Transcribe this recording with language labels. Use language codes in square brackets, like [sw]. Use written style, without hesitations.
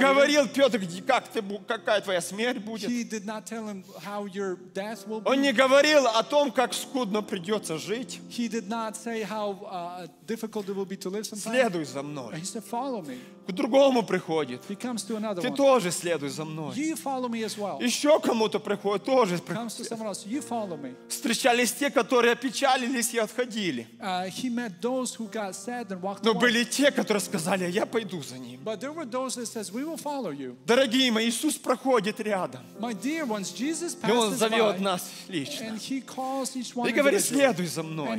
[ru] Говорил, Петр, как ты, какая твоя смерть будет. [en] He did not tell him how your death will be. [ru] Он не говорил о том, как скудно придется жить. [en] He did not say how difficult it will be to live sometimes. [ru] Следуй за мной. [en] He said, follow me. [ru] К другому приходит. [en] He comes to another [ru] ты [en] one. [ru] Тоже следуй за мной. [en] You follow me as well. [ru] Еще кому-то приходит, тоже [en] comes to someone else. You follow me. [ru] Встречались те, которые опечалились и отходили. [en] He met those who got sad and walked [ru] Но были те, которые сказали, я пойду за ним. [en] But there were those that says, we will follow you. [ru] Дорогие мои, Иисус проходит рядом. [en] My dear ones, Jesus passes [ru] и Он зовет нас лично. [en] And he calls each one [ru] и говорит, следуй за мной.